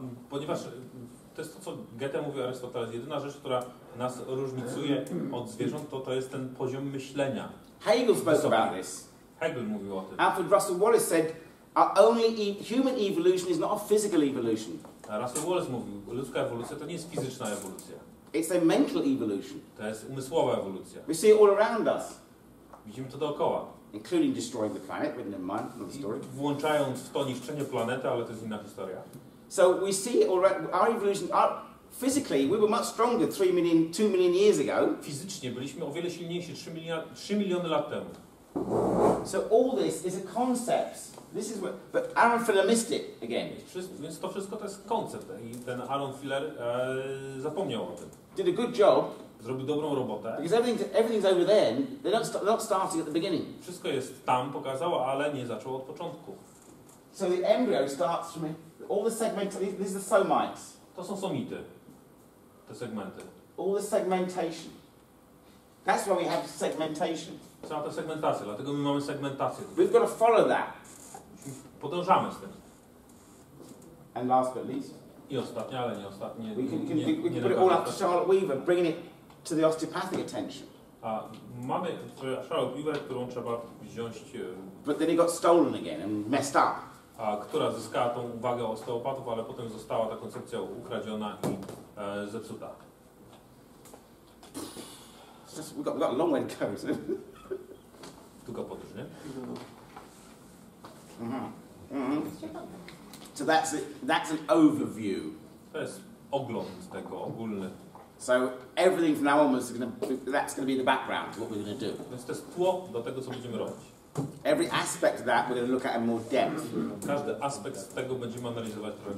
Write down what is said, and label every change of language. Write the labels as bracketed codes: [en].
[pl] Ponieważ to jest to, co Goethe mówił, Aristoteles, jedyna rzecz, która nas różnicuje od zwierząt, to jest ten poziom myślenia. [en] Hegel spoke about this. [pl] Hegel mówił o tym. [en] Alfred Russel Wallace said, human evolution is not a physical evolution. [pl] Russel Wallace mówił, ludzka ewolucja to nie jest fizyczna ewolucja. [en] It's a mental evolution. [pl] To jest umysłowa ewolucja. [en] We see it all around us. [pl] Widzimy to dookoła. [en] Including destroying the planet, but never mind, another story. [pl] Włączając w to niszczenie planety, ale to jest inna historia. [en] So we see it all around, our evolution, physically, we were much stronger 2 million years ago. [pl] Fizycznie byliśmy o wiele silniejsi 3 miliony lat temu. [en] So all this is a concept. This is what, but Aaron Filler missed it again. [pl] Więc to wszystko to jest koncept. I ten Aaron Filler zapomniał o tym. [en] Did a good job. [pl] Zrobił dobrą robotę. [en] Because everything's over there. They're not starting at the beginning. [pl] Wszystko jest tam, pokazało, ale nie zaczął od początku. [en] So the embryo starts from all the segments. These are the somites. [pl] To są somity. Te segmenty. [en] All the segmentation. That's why we have segmentation. [pl] Cała ta segmentacja, dlatego my mamy segmentację. [en] We've got to follow that. [pl] Podążamy z tym. [en] And last but least. [pl] I ostatnie, ale nie ostatnie. [en] We can put it all up to Charlotte Weaver, bringing it to the osteopathic attention. [pl] A mamy Charlotte Weaver, którą trzeba wziąć. [en] But then it got stolen again and messed up. [pl] A która zyskała tą uwagę osteopatów, ale potem została ta koncepcja ukradziona i zepsuta. [en] We got a long way to go, isn't it? [pl] Długa podróż, nie? [en] So that's an overview. [pl] To jest ogląd tego ogólny. [en] So everything from now on is going to be the background to what we're going to do. [pl] Więc to jest tło do tego, co będziemy robić. [en] Every aspect of that we're going to look at in more depth. [pl] Każdy aspekt tego będziemy analizować trochę.